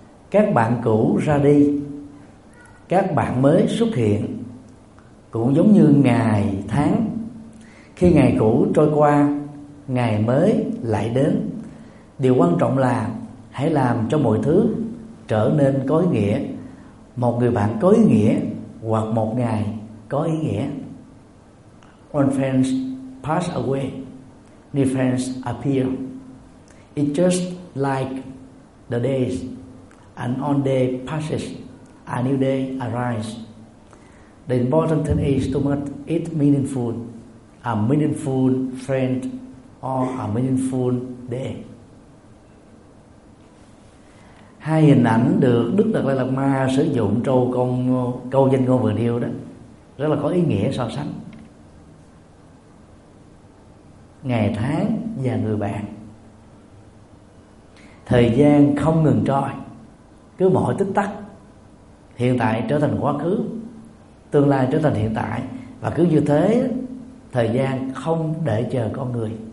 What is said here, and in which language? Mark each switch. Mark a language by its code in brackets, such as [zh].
[vi] Các bạn cũ ra đi, các bạn mới xuất hiện, cũng giống như ngày tháng. Khi ngày cũ trôi qua, ngày mới lại đến. Điều quan trọng là hãy làm cho mọi thứ trở nên có ý nghĩa. Một người bạn có ý nghĩa hoặc một ngày có ý nghĩa. [en] When friends pass away, new friends appear. It's just like the days. And on day passes, a new day arises. The important thing is to make it meaningful, a meaningful friend or a meaningful day. [vi] Hai hình ảnh được Đức Đạt Lai Lạt Ma sử dụng trong câu danh ngôn vừa nêu đó rất là có ý nghĩa so sánh. Ngày tháng và người bạn. Thời gian không ngừng trôi, cứ mỗi tích tắc, hiện tại trở thành quá khứ, tương lai trở thành hiện tại, và cứ như thế, thời gian không để chờ con người.